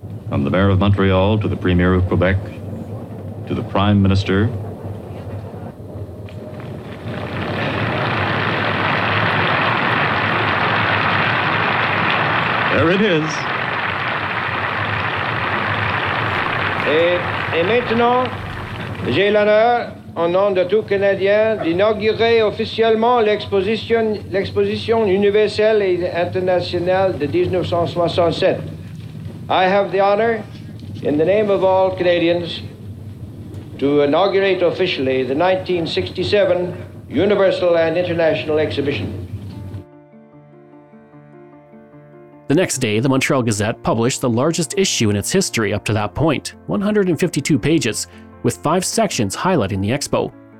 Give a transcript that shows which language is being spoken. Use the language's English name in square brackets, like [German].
[English] From the Mayor of Montreal to the Premier of Quebec, to the Prime Minister, there it is. [French] Et maintenant, j'ai l'honneur, au nom de tout Canadien, d'inaugurer officiellement l'exposition universelle et internationale de 1967. [English] I have the honor, in the name of all Canadians, to inaugurate officially the 1967 Universal and International Exhibition. The next day, the Montreal Gazette published the largest issue in its history up to that point, 152 pages, with five sections highlighting the Expo.